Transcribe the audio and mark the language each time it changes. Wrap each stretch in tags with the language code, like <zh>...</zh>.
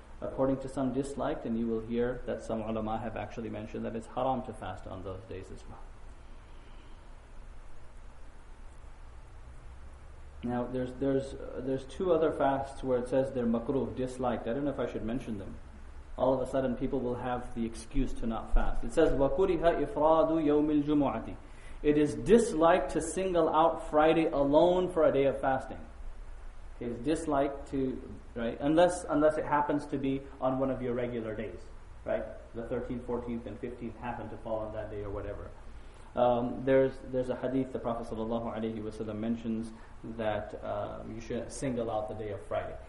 <en>According to some, disliked, and you will hear that some ulama have actually mentioned that it's haram to fast on those days as well. Now, there's two other fasts where it says they're makruh, disliked. I don't know if I should mention them. All of a sudden, people will have the excuse to not fast. It says,</en> <ar>وَكُرِهَ إِفْرَادُ يَوْمِ الْجُمُعَةِ.</ar> <en>It is disliked to single out Friday alone for a day of fasting. It is disliked to, right, unless it happens to be on one of your regular days, right? The 13th, 14th, and 15th happen to fall on that day or whatever. There's a hadith the Prophet sallallahu alaihi wasallam mentions that you shouldn't single out the day of Friday.</en>